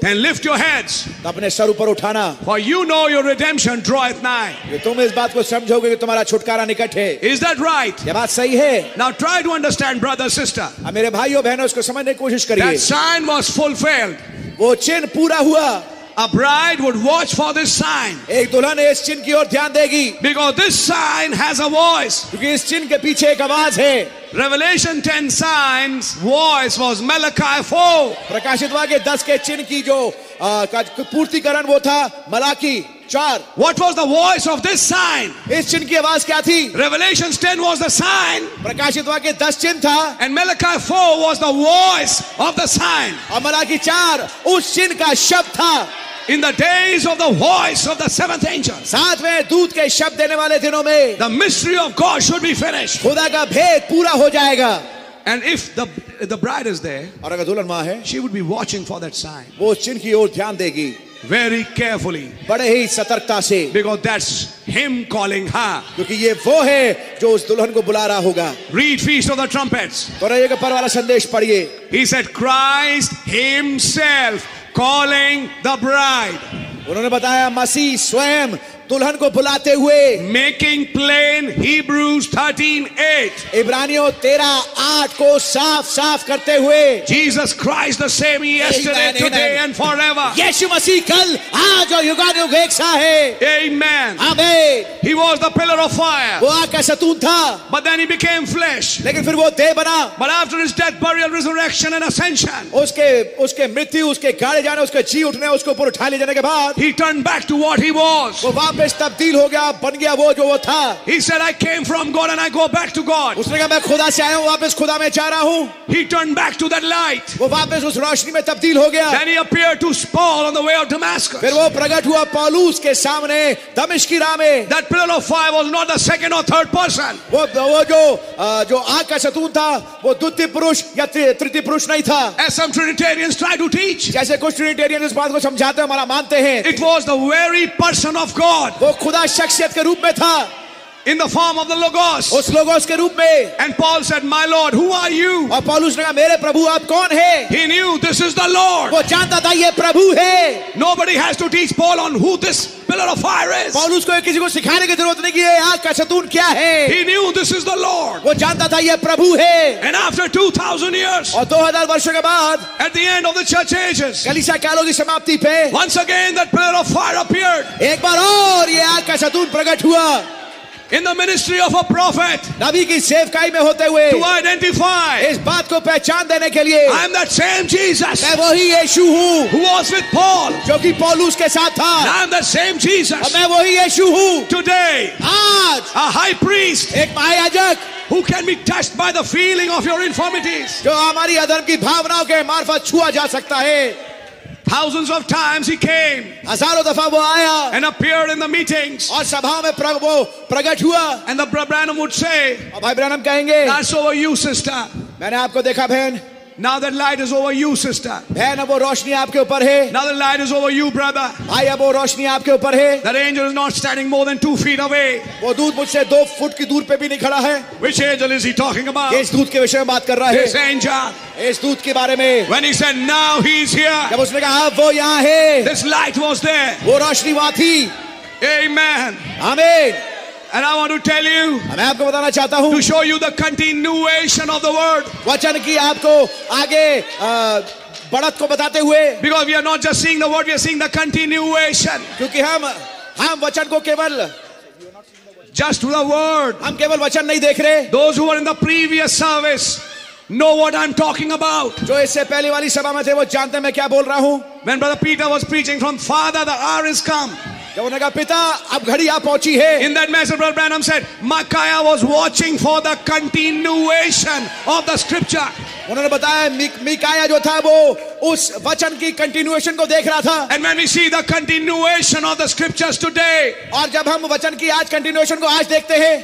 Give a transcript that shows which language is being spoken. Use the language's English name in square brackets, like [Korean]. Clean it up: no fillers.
[English] then lift your heads, [Hindi] अपने sir ऊपर उठाना, [English] for you know your redemption draweth nigh. [Hindi] तुम इस बात को समझोगे कि तुम्हारा छुटकारा निकट है. [English] Is that right? [Hindi] यह बात सही है. [English] Now try to understand, brother, sister. [Hindi] अब मेरे भाइयों बहनों इसको समझने की कोशिश करिए. [English] That sign was fulfilled. [Hindi] वो चिन्ह पूरा हुआ. [English] A bride would watch for this sign. [Hindi] एक दुल्हन इस चिन्ह की ओर ध्यान देगी. [English] Because this sign has a voice. [Hindi] क्योंकि इस चिन्ह के पीछे एक आवाज है. [English] Revelation 10 signs voice was Malachi 4. [Hindi] प्रकाशित वाक्य 10 के चिन्ह की जो पूर्तिकरण वो था Malachi 4. [English] What was the voice of this sign? [Hindi] इस चिन्ह की आवाज क्या थी? [English] Revelation 10 was the sign. [Hindi] प्रकाशित वाक्य 10 चिन्ह था. [English] And Malachi 4 was the voice of the sign. [Hindi] और मलाकी 4 उस चिन्ह का शब्द था. [English] In the days of the voice of the seventh angel, [Hindi] सातवें दूत के शब्द देने वाले दिनों में, [English] the mystery of God should be finished. [Hindi] खुदा का भेद पूरा हो जाएगा. [English] And if the bride is there, [Hindi] और अगर दुल्हन वहाँ है, [English] she would be watching for that sign. [Hindi] वो चिन्ह की ओर ध्यान देगी. [English] Very carefully. [Hindi] बड़े ही सतर्कता से. [English] Because that's him calling her. [Hindi] क्योंकि ये वो है जो उस दुल्हन को बुला रहा होगा. [English] Read Feast of the Trumpets. [Hindi] तोरैया के पर वाला संदेश पढ़िए. [English] He said, Christ Himself. Calling the bride. [Hindi] उन्होंने बताया मसीह स्वयं दुल्हन को बुलाते हुए. [English] Making plain Hebrews 13:8. [Hindi] इब्रानियों 13:8 को साफ साफ करते हुए. [English] Jesus Christ the same yesterday, today and forever. [Hindi] यीशु मसीह कल आज और युगानुयुग एक सा है. [English] Amen. Amen. He was the pillar of fire. [Hindi] वो आग का सतून था. [English] But then he became flesh. [Hindi] लेकिन फिर वो देह बना. [English] But after his death, burial, resurrection and ascension. [Hindi] उसके मृत्यु उसके गाड़े जाने उसके जी उठने उसके ऊपर उठा ले जाने के बाद. [English] He turned back to what he was. [Hindi] वापस तब्दील हो गया बन गया वो जो वो था. [English] He said, I came from God and I go back to God. [Hindi] उसने कहा मैं खुदा से आया हूँ वापस खुदा में जा रहा हूँ. [English] He turned back to that light. [Hindi] वो वापस उस रोशनी में तब्दील हो गया. [English] Then he appeared to Paul on the way of Damascus. [Hindi] फिर वो प्रकट हुआ पौलुस के सामने दमिश्क की राह में. [English] That pillar of fire was not the second or third person. [Hindi] वो जो आग का सतून था वो द्वितीय पुरुष या तृतीय पुरुष नहीं था. [English] As some Trinitarians try to teach. [Hindi] जैसे कुछ Trinitarians इस बात को समझाते हैं हमारा मानते हैं. [English] It was the very person of God. [Hindi] वो खुदा शख्सियत के रूप में था. [English] In the form of the Logos. [Hindi] उस लोगोस के रूप में. [English] And Paul said, My Lord, who are you? [Hindi] और पौलुस ने कहा मेरे प्रभु आप कौन है? [English] He knew this is the Lord. [Hindi] वो जानता था ये प्रभु है. [English] Nobody has to teach Paul on who this pillar of fire is. [Hindi] पौलुस को किसी को सिखाने की जरूरत नहीं कि ये आग का सतून क्या है. [English] He knew this is the Lord. [Hindi] वो जानता था ये प्रभु है. [English] And after 2000 years. [Hindi] और 2000 वर्षों के बाद. [English] At the end of the church ages. [Hindi] कलीसिया कालों की समाप्ति पे. [English] Once again that pillar of fire appeared. [Hindi] एक बार और ये आग का सतून प्रकट हुआ. [English] In the ministry of a prophet, [Hindi] नबी की सेवकाई में होते हुए, [English] to identify, [Hindi] इस बात को पहचान देने के लिए, [English] I am that same Jesus, [Hindi] मैं वही यीशु हूँ, [English] who was with Paul, [Hindi] जो कि पौलुस के साथ था, [English] I am the same Jesus, [Hindi] और मैं वही यीशु हूँ, [English] today, [Hindi] आज, [English] a high priest, [Hindi] एक महायाजक, [English] who can be touched by the feeling of your infirmities, [Hindi] जो हमारी अधर्म की भावनाओं के मार्फत छुआ जा सकता है. [English] Thousands of times he came, [Hindi] हजारों दफा वो आया, [English] and appeared in the meetings, [Hindi] और सभा में वो प्रकट हुआ, [English] and the Branham would say, [Hindi] और भाई ब्रैनम कहेंगे, [English] that's over you, sister. [Hindi] मैंने आपको देखा बहन. [English] Now that light is over you, sister. [Hindi] बहन अब वो रोशनी आपके ऊपर है. [English] Now that light is over you, brother. [Hindi] भाई अब वो रोशनी आपके ऊपर है. [English] That angel is not standing more than 2 feet away. [Hindi] वो दूत मुझसे 2 फुट की दूर पे भी नहीं खड़ा है. [English] Which angel is he talking about? [Hindi] इस दूत के विषय में बात कर रहा है. [English] This angel. [Hindi] इस दूत के बारे में. [English] When he said, now he is here. [Hindi] जब उसने कहा अब वो यहाँ है. [English] This light was there. [Hindi] वो रोशनी वहाँ थी. [English] Amen. Amen. And I want to tell you, [Hindi] मैं आपको बताना चाहता हूँ, [English] to show you the continuation of the word, [Hindi] वचन की आपको आगे बढ़त को बताते हुए, [English] because we are not just seeing the word, we are seeing the continuation, [Hindi] क्योंकि हम वचन को केवल [English] just the word, [Hindi] हम केवल वचन नहीं देख रहे, [English] those who were in the previous service. Know what I'm talking about. [Hindi] जो इससे पहले वाली सभा में थे वो जानते हैं मैं क्या बोल रहा हूँ. [English] When Brother Peter was preaching from Father, the hour is come. [Hindi] जब उन्होंने कहा पिता अब घड़ी आ पहुंची है. [English] In that message, Brother Branham said, Micaiah was watching for the continuation of the scripture. [Hindi] उन्होंने बताया मीकाया जो था वो उस वचन की कंटिन्यूएशन को देख रहा था. [English] And when we see the continuation of the scriptures today, [Hindi] और जब हम वचन की आज कंटिन्यूएशन को आज देखते हैं,